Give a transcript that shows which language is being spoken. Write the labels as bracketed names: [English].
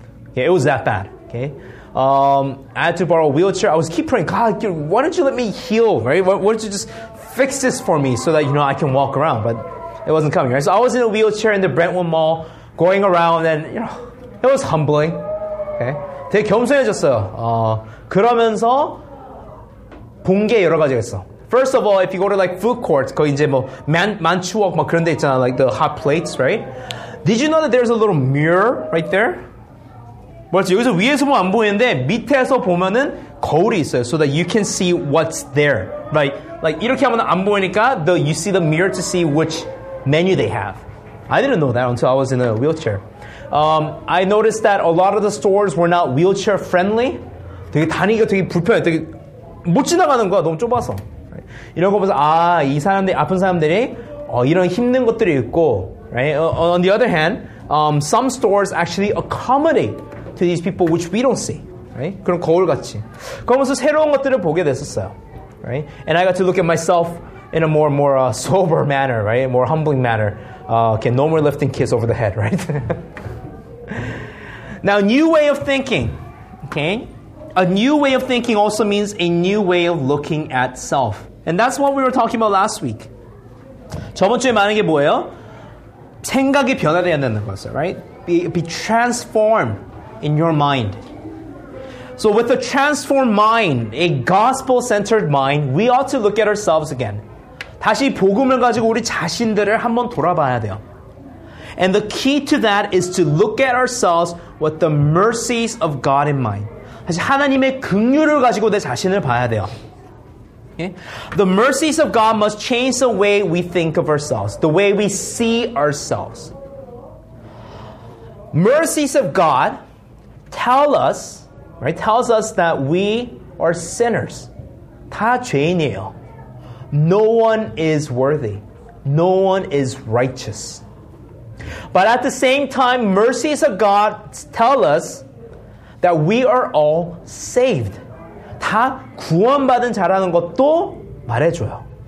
[English] Okay, it was that bad, okay? I had to borrow a wheelchair. I was keep praying, God, why don't you let me heal, right? Why don't you just fix this for me so that, you know, I can walk around? But it wasn't coming, right? So I was in a wheelchair in the Brentwood Mall going around, and, you know, it was humbling, okay? [Korean] 되게 겸손해졌어요. 그러면서 본 게 여러 가지가 있어. [English] First of all, if you go to like food courts, [Korean] 거기 이제 뭐 만추웍 막 그런 데 있잖아, [English] like the hot plates, right? Did you know that there's a little mirror right there? [Korean] 뭐지? 여기서 위에서 보면 안 보이는데 밑에서 보면은 거울이 있어요. [English] So that you can see what's there, right? Like [Korean] 이렇게 하면 안 보이니까 [English] you see the mirror to see which menu they have. I didn't know that until I was in a wheelchair. I noticed that a lot of the stores were not wheelchair friendly. [Korean] 되게 다니기가 되게 불편해. 되게 못 지나가는 거야, 너무 좁아서. 이런 거 보면서, 이 사람들이, 아픈 사람들이, 이런 힘든 것들이 있고, right? [English] On the other hand, some stores actually accommodate to these people, which we don't see, right? [Korean] 그런 거울같이. 그러면서 새로운 것들을 보게 됐었어요, right? [English] And I got to look at myself in a more sober manner, right? More humbling manner. Okay, no more lifting kids over the head, right? Now, new way of thinking, okay? A new way of thinking also means a new way of looking at self. And that's what we were talking about last week. [Korean] 저번 주에 말한 게 뭐예요? 생각이 변화되어야 된다는 거였어요, [English] right? Be transformed in your mind. So with a transformed mind, a gospel-centered mind, we ought to look at ourselves again. [Korean] 다시 복음을 가지고 우리 자신들을 한번 돌아봐야 돼요. [English] And the key to that is to look at ourselves with the mercies of God in mind. 다시 하나님의 긍휼을 가지고 내 자신을 봐야 돼요. The mercies of God must change the way we think of ourselves, the way we see ourselves. Mercies of God tell us, right, tells us that we are sinners. [Korean] 다 죄인이에요. [English] No one is worthy. No one is righteous. But at the same time, mercies of God tell us that we are all saved. [Korean] 다 구원받은 자라는 것도 말해줘요.